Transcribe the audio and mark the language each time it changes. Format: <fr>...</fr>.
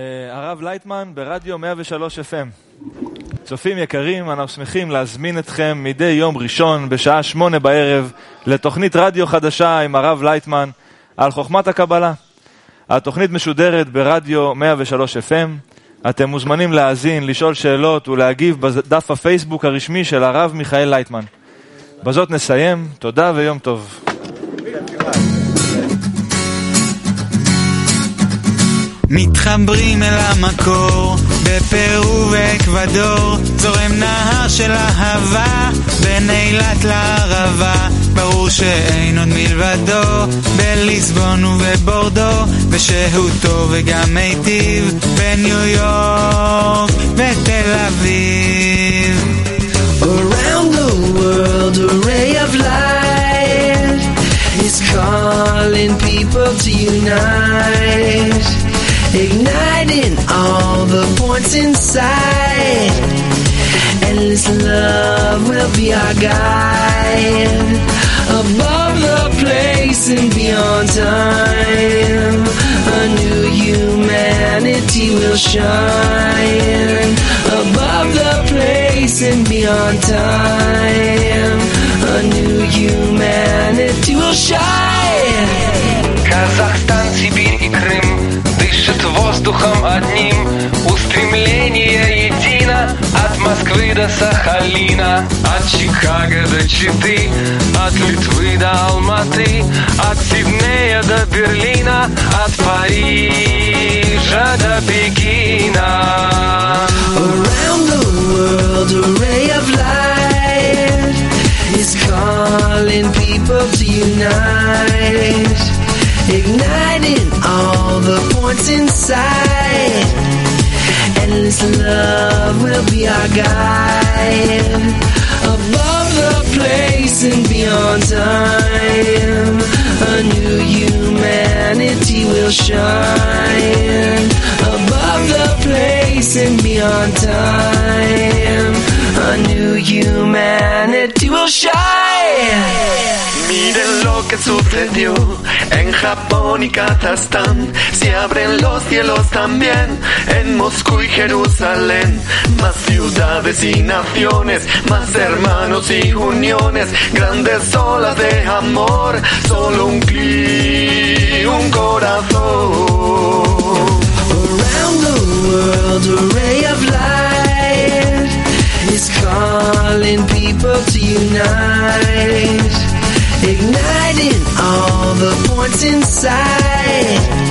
<he>הרב לייטמן ברדיו 103 FM. צופים יקרים, אנחנו שמחים להזמין אתכם מדי יום ראשון בשעה 8 בערב לתוכנית רדיו חדשה עם הרב לייטמן על חוכמת הקבלה. התוכנית משודרת ברדיו 103 FM. אתם מוזמנים להאזין, לשאול שאלות ולהגיב בדף הפייסבוק הרשמי של הרב מיכאל לייטמן. בזאת נסיים, תודה ויום טוב. מתחברים אל המקור בפרו ואקוודור זורם נהר של אהבה בין אילת לערבה ברור שאין עוד מלבדו בליסבון ובבורדו ושהותו וגם מיטיב בניו יורק ותל אביב</he> <en>Around the world a ray of light is calling people to unite Igniting all the points inside Endless love will be our guide Above the place and beyond time A new humanity will shine Above the place and beyond time A new humanity will shine</en> <ru>Kazakhstan, Sibir and Krim Дышит воздухом одним, устремление едино от Москвы до Сахалина, от Чикаго до Читы, от Литвы до Алматы, от Сиднея до Берлина, от Парижа до Пекина.</ru> <en>Around the world a ray of light is calling people to unite. Igniting all the points inside His love will be our guide above the place and beyond time. A new humanity will shine above the place and beyond time. A new humanity will shine.</en> <es>Miren lo que sucedió en Japón y Kazajstán. Se abren los cielos también en Moscú y Jerusalén. Más ciudades y naciones, más hermanos y uniones, grandes olas de amor, solo un clic, un corazón.</es> <en>Around the world, a ray of light is calling people to unite, igniting all the points inside.</en>